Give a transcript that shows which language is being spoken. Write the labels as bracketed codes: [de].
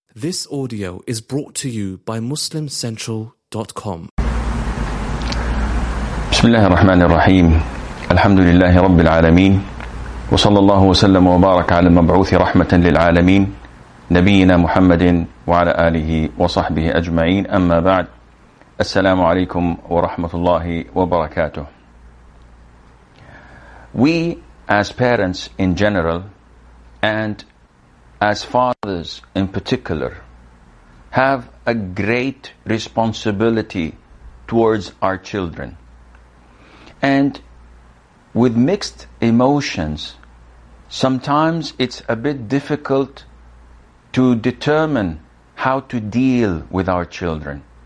[en] This audio is brought to you by MuslimCentral.com. [ar] بسم الله الرحمن الرحيم. الحمد لله رب العالمين، وصلى الله وسلم وبارك على المبعوث رحمة للعالمين نبينا محمد وعلى آله وصحبه أجمعين. أما بعد، السلام عليكم ورحمة الله وبركاته. [en] We as parents in general and as fathers in particular have a great responsibility towards our children. And with mixed emotions, sometimes it's a bit difficult to determine how to deal with our children.